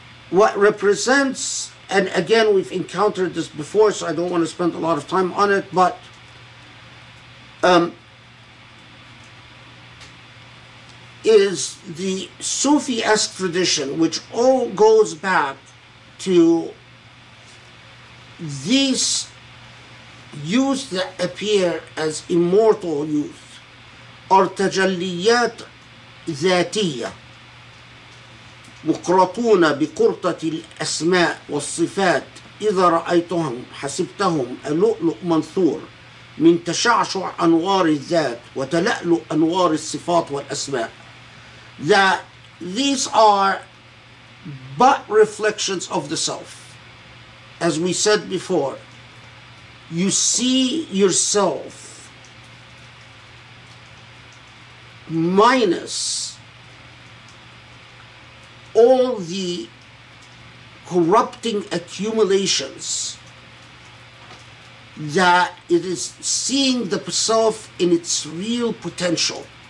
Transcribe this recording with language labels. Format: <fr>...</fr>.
<en>What represents, and again, we've encountered this before, so I don't want to spend a lot of time on it, but is the Sufi-esque tradition, which all goes back to these youth that appear as immortal youth, are</en> <ar>تجليات ذاتية مقرطون بكرطة الأسماء والصفات إذا رأيتهم حسبتهم اللؤلؤ منثور من تشعشع أنوار الذات وتلألؤ أنوار الصفات والأسماء.</ar> <en>That these are but reflections of the self. As we said before, you see yourself minus all the corrupting accumulations, that it is seeing the self in its real potential.</en>